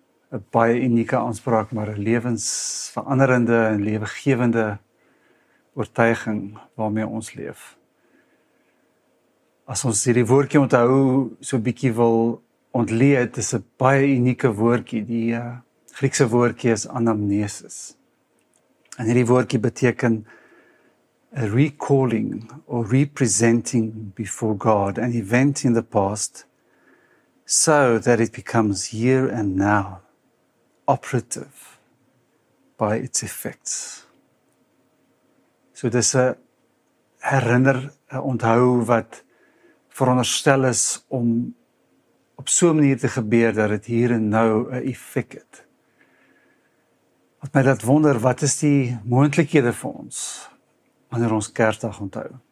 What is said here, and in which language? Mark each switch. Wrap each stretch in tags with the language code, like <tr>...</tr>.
<af>'n Baie unieke aanspraak, maar 'n lewensveranderende en lewegewende oortuiging waarmee ons leef. As ons hierdie woordjie onthou, so 'n bietjie wil ontleed, is 'n baie unieke woordjie. Die Griekse woordjie is anamnesis. En hierdie woordjie beteken</af> <en>a recalling or representing before God an event in the past so that it becomes here and now operative by its effects.</en> <af>So dis 'n herinner, 'n onthou wat veronderstel is om op so 'n manier te gebeur dat dit hier en nou 'n effek het. Wat my laat wonder, wat is die moontlikhede vir ons wanneer ons Kersdag onthou?</af>